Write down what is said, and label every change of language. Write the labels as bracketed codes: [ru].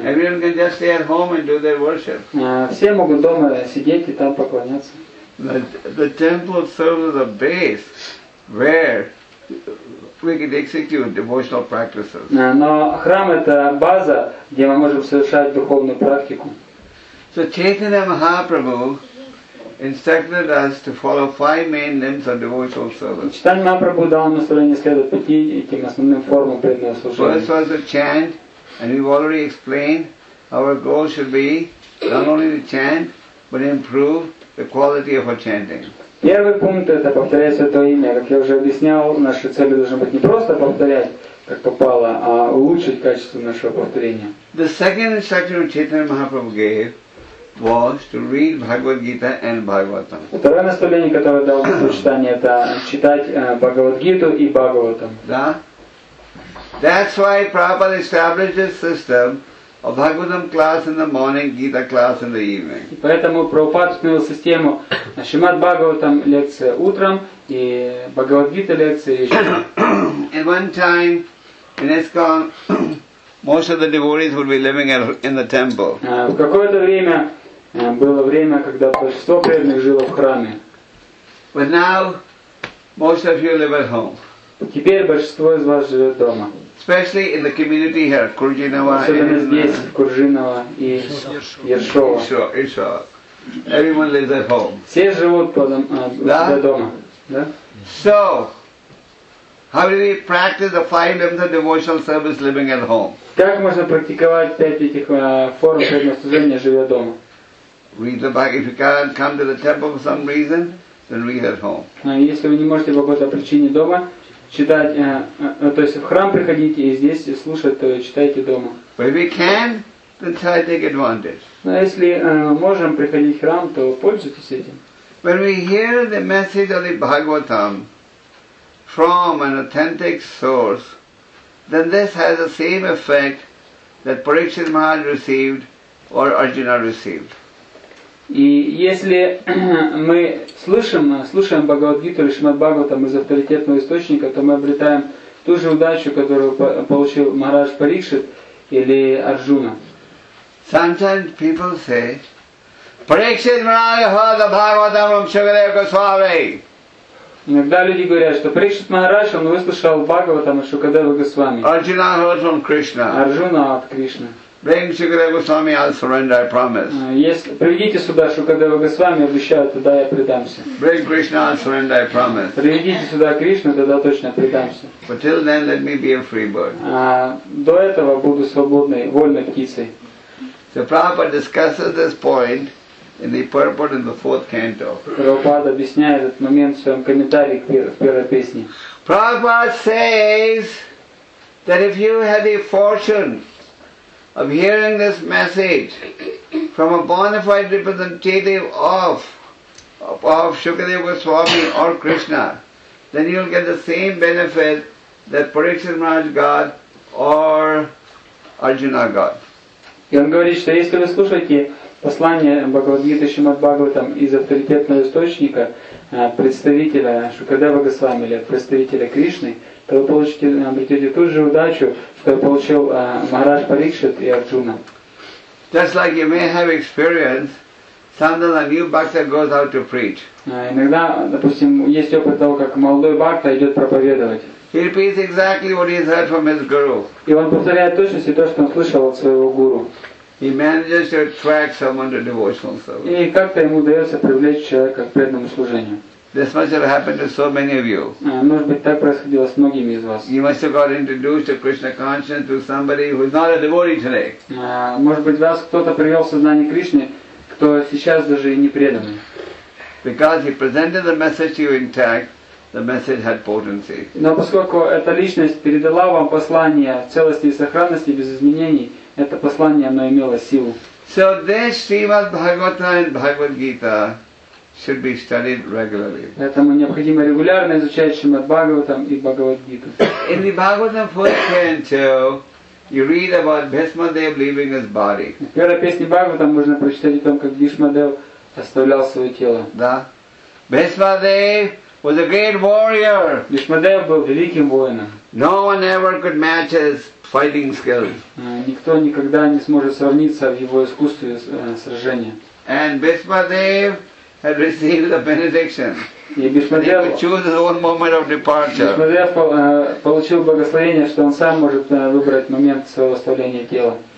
[en] Everyone can just stay at home and do their worship. [ru] Все могут дома сидеть и там поклоняться. [en] The temple serves as a base where we can execute devotional practices. [ru] Но храм это база, где мы можем совершать духовную практику. [en] So Chaitanya Mahaprabhu instructed us to follow five main limbs of devotional service. [ru] Chaitanya Mahaprabhu дал наставление следовать пяти этим основным формам преданного служения. [en] First was the chant, and we've already explained our goal should be not only to chant but improve the quality of our chanting. [ru] Первый пункт это повторять святое имя. Как я уже объяснял, наши цели должны быть не просто повторять, как попало, а улучшить качество нашего повторения. [en] The second instruction of Chaitanya Mahaprabhu gave was to read Bhagavad Gita and Bhagavatam. [ru] Второе наставление, которое дал в читании, это читать Бхагавад Гиту и Бхагаватам. Да. [en] That's why Prabhupada established this system. A Bhagavatam class in the morning, Gita class in the evening. [ru] Поэтому Прабхупад установил систему Шримад Бхагаватам лекция утром и Бхагавад Гита лекция вечером. [en] At one time in ISKCON, most of the devotees would be living in the temple. [ru] В какое-то время было время, когда большинство преданных жило в храме. [en] But now most of you live at home. [ru] Теперь большинство из вас живет дома. [en] Especially in the community here, Куржинова. [ru] Особенно здесь, в Куржинова и Ершова. [en] Ершова. Everyone lives at home. [ru] Все живут дома. [en] So, how do we practice the five limbs of devotional service living at home? [ru] Как можно практиковать пять этих форм преданного служения, живя дома? [en] Read the Bhagavad. If you can't come to the temple for some reason, then read at home. [ru] Если вы не можете по какой-то причине дома, читать, то есть в храм приходите и здесь слушать, то читайте дома. [en] But if we can, then try to take advantage. [ru] Но если можем приходить в храм, то пользуйтесь этим. [en] When we hear the message of the Bhagavatam from an authentic source, then this has the same effect that Parikshit Maharaj received or Arjuna received. [ru] И если мы слушаем Бхагавад-гиту или Шримад-бхагаватам из авторитетного источника, то мы обретаем ту же удачу, которую получил Махарадж Парикшит или Арджуна. [en] Sometimes people say, Parikshit Maharaj the Bhagavatam from Shukadev Goswami. [ru] Иногда люди говорят, что Парикшит Махарадж он выслушал Бхагаватам из Шукадева Госвами. [en] Арджуна heard from Krishna. [ru] Арджуна от Кришны. [en] Bring Shukadeva Goswami, I'll surrender, I promise. [ru] Приведите сюда Шукадева Госвами, обещаю, тогда я предамся. [en] Bring Krishna, I'll surrender, I promise. [ru] Приведите сюда Кришну, тогда точно предамся. [en] But till then, let me be a free bird. [ru] До этого буду свободной, вольной птицей. [en] So Prabhupada discusses this point in the purport in the fourth canto. [ru] Prabhupada объясняет этот момент в своем комментарии к первой песне. [en] Prabhupada says that if you had a fortune of hearing this message from a bona fide representative of Shukadeva Goswami or Krishna, then you'll get the same benefit that Parikshit Maharaj got or Arjuna got. [ru] И он говорит, что если вы слушаете послание Бхагавад-гиты Шримад-Бхагаватам из авторитетного источника представителя Шукадева Госвами или представителя Кришны, то вы получите, обретете ту же удачу, что получил Махарадж Парикшит и Арджуна. [en] Just like you may have experience, sometimes a new bhakta goes out to preach. [ru] Иногда, допустим, есть опыт того, как молодой бхакта идет проповедовать. [en] He repeats exactly what he has heard from his guru. [ru] И он повторяет точности то, что он слышал от своего гуру. [en] He manages to attract someone to devotional service. [ru] И как-то ему удается привлечь человека к преданному служению. [en] This must have happened to so many of you. [ru] Может быть, так происходило с многими из вас. [en] You must have got introduced to Krishna consciousness through somebody who is not a devotee today. [ru] Может быть, вас кто-то привел в сознание Кришны, кто сейчас даже и не преданный. [en] Because he presented the message to you intact, the message had potency. [ru] Но поскольку эта личность передала вам послание целости и сохранности без изменений, это послание оно имело силу. [en] So this Srimad Bhagavata and Bhagavad Gita should be studied regularly. [ru] Поэтому необходимо регулярно изучать Шримад Бхагаватам и Бхагавад Гиту. [en] In the Bhagavatam 4th canto, you read about Bhishma Dev leaving his body. [ru] В первой песне Бхагаватам можно прочитать о том, как Бхишма Дев оставлял свое тело. Да. [en] Bhishma Dev was a great warrior. [ru] Бхишма Дев был великим воином. [en] No one ever could match his fighting skills. [ru] Никто никогда не сможет сравниться в его искусстве сражения. [en] And Bhishma Dev had received the benediction. [ru] И Бхишма Дев [en] could choose his own moment of departure. [ru] Бхишма Дев получил благословение, что он сам может выбрать момент своего оставления тела.